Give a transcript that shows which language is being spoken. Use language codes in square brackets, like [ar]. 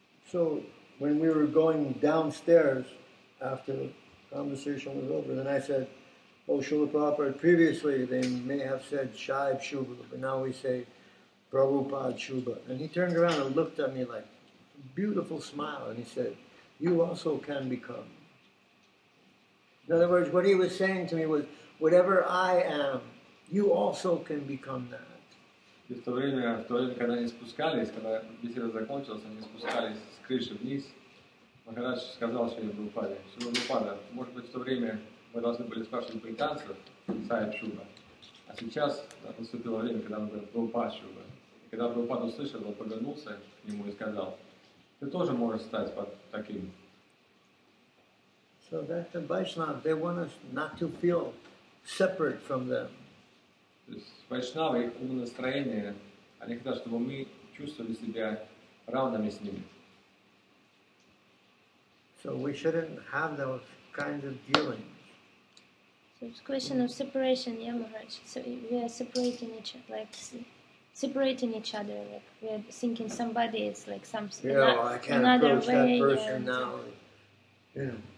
[en] So when we were going downstairs after the conversation was over, then I said, oh, Srila Prabhupada, previously they may have said Shaiv Shubha, but now we say Prabhupada Shubha. And he turned around and looked at me like a beautiful smile, and he said, you also can become. In other words, what he was saying to me was, whatever I am, you also can become that. [ru] И в то время, когда они спускались, когда беседа закончилась, они спускались с крыши вниз, Махарадж сказал Шри Прабхупаде, может быть, в то время мы должны были спрашивать британцев Саиб Шуба, а сейчас наступило время, когда он говорит Прабхупад Шуба. И когда Прабхупад услышал, он повернулся к нему и сказал, ты тоже можешь стать под таким. [en] So that's the Vaishnav, they want us not to feel separate from them. [ru] То есть вайшнавы, их умонастроение, они хотят, чтобы мы чувствовали себя равными с ними. [en] So we shouldn't have those kind of dealings. So it's a question of separation, yeah, Maharaj. So we are separating each other, like separating each other, like we are thinking somebody is like some another way. Yeah, I can't approach that person now.